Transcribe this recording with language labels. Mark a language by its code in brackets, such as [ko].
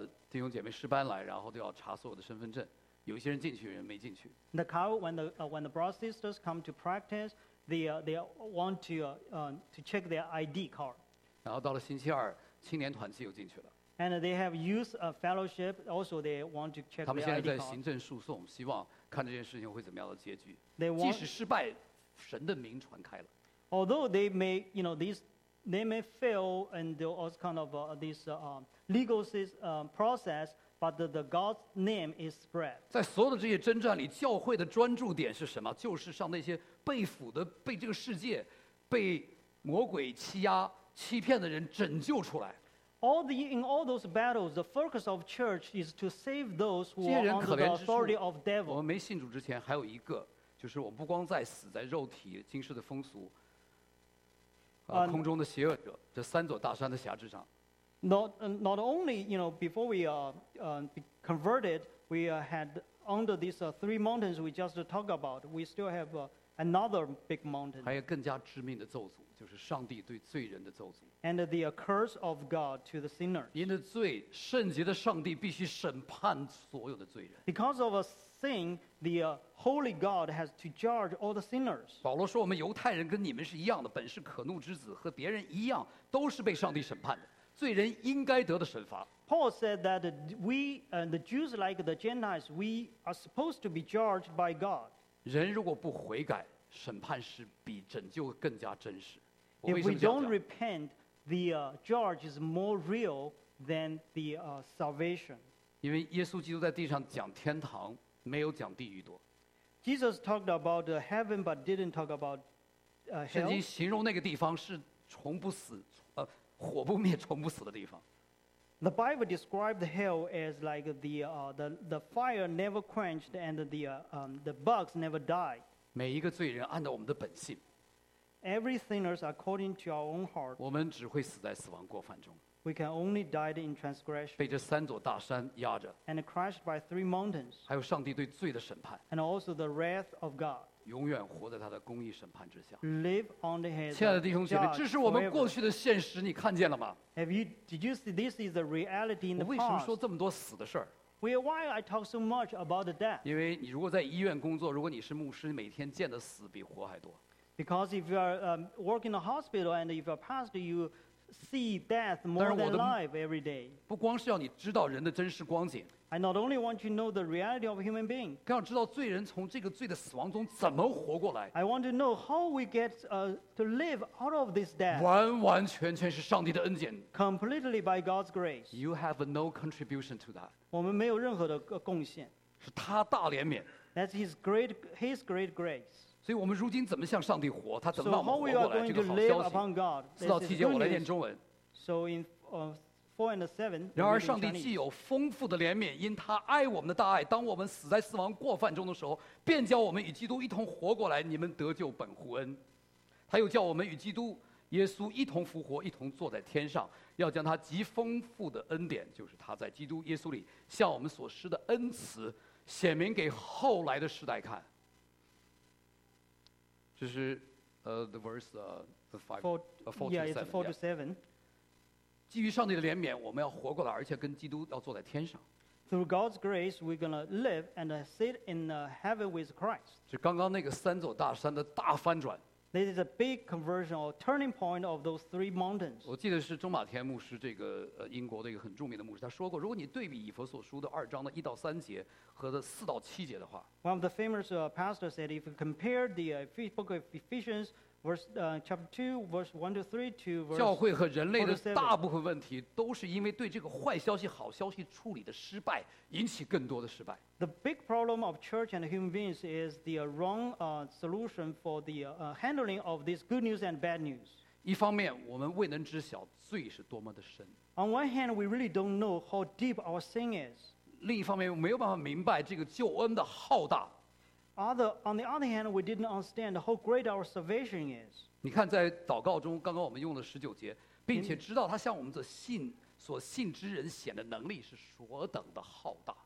[zh] 弟兄姐妹试班来，然后都要查所有的身份证，有一些人进去，有人没进去。 [en] The car when the brothers sisters come to practice, they want to check their ID card. [zh] 然后到了星期二，青年团契又进去了。 [en] And they have youth a fellowship. Also, they want to check their ID card. [zh] 他们现在在行政诉讼，希望看这件事情会怎么样的结局。即使失败，神的名传开了。 [en] Although they may, you know, they may fail and also kind of this legal process, but the God's name is spread. [zh] 在所有的这些征战里，教会的专注点是什么？就是上那些被俘的、被这个世界、被魔鬼欺压、欺骗的人拯救出来。 [en] In all those battles, the focus of church is to save those who are under the authority of devil. [zh] 我们没信主之前还有一个，就是我不光在死在肉体、今世的风俗、空中的邪恶者这三座大山的辖制上。 [en] Not only you know before we converted, we had under these three mountains we just talked about. We still have another big mountain. [zh] 还有更加致命的咒诅。就是上帝对罪人的咒诅。 [en] And the curse of God to the sinners. [zh] 因着罪，圣洁的上帝必须审判所有的罪人。 [en] Because of a sin, the holy God has to judge all the sinners. [zh] 保罗说：“我们犹太人跟你们是一样的，本是可怒之子，和别人一样，都是被上帝审判的。罪人应该得的审罚。” [en] Paul said that we, the Jews like the Gentiles, we are supposed to be judged by God. [zh] 人如果不悔改。审判是比拯救更加真实。 [en] If we don't repent, the judge is more real than the salvation. [zh] 因为耶稣基督在地上讲天堂，没有讲地狱多。 [en] Jesus talked about heaven, but didn't talk about hell. [zh] 圣经形容那个地方是从不死，火不灭、从不死的地方。 [en] The Bible described hell as like the fire never quenched and the bugs never die. [zh] 每一个罪人按照我们的本性 [en] Every sinner according to our own heart [zh] 我们只会死在死亡过犯中 [en] We can only die in transgression. [zh] 被这三座大山压着。 [en] And crushed by three mountains. [zh] 还有上帝对罪的审判。 [en] And also the wrath of God. [zh] 永远活在他的公义审判之下。 [en] Live on the head. [zh] 亲爱的弟兄姐妹，这是我们过去的现实，你看见了吗？ [en] Did you see this is the reality in the past? [zh] 我为什么说这么多死的事儿？ [en] Why I talk so much about the death? [zh] 因为你如果在医院工作，如果你是牧师，每天见的死比活还多。 [en] Because if you are working in a hospital and if you are pastor, you see death more than life every day. [zh] 不光是要你知道人的真实光景。 [en] I not only want you to know the reality of a human being. [zh] 更要知道罪人从这个罪的死亡中怎么活过来。 [en] I want to know how we get to live out of this death. [zh] 完完全全是上帝的恩典。 [en] Completely by God's grace. You have no contribution to that. [zh] 我们没有任何的贡献。是他大怜悯。 [en] That's His great grace. [zh] 所以我们如今怎么向上帝活？他怎么让我们活过来？这个好消息。 [en] So how we are going to live upon God? [zh] 四到七节，我来念中文。 [en] So in four and seven. [zh] 然而上帝既有丰富的怜悯，因他爱我们的大爱，当我们死在死亡过犯中的时候，便叫我们与基督一同活过来，你们得救本乎恩。他又叫我们与基督耶稣一同复活，一同坐在天上，要将他极丰富的恩典，就是他在基督耶稣里向我们所施的恩慈，显明给后来的世代看。这是 [en] the verse four to seven. [zh] 基于上帝的怜悯，我们要活过来，而且跟基督要坐在天上。 [en] Through God's grace, we're gonna live and sit in heaven with Christ. [zh] 是刚刚那个三座大山的大翻转。 [en] This is a big conversion or turning point of those three mountains. [zh] 我记得是中马天牧师，这个英国的一个很著名的牧师，他说过，如果你对比以弗所书的二章的一到三节和的四到七节的话 [en] ，One of the famous pastors said, if you compare the book of Ephesians. Verse chapter 2, verse 1 to 3, to verse 4. [zh] 教会和人类的大部分问题都是因为对这个坏消息、好消息处理的失败，引起更多的失败。 [en] The big problem of church and human beings is the wrong solution for the handling of this good news and bad news. [zh] 一方面，我们未能知晓罪是多么的深。 [en] On one hand, we really don't know how deep our sin is. [zh] 另一方面，没有办法明白这个救恩的浩大。 [en] On the other hand, we didn't understand how great our salvation is. [zh] 你看，在祷告中，刚刚我们用了十九节，并且知道他向我们的信所信之人显的能力是所等的浩大。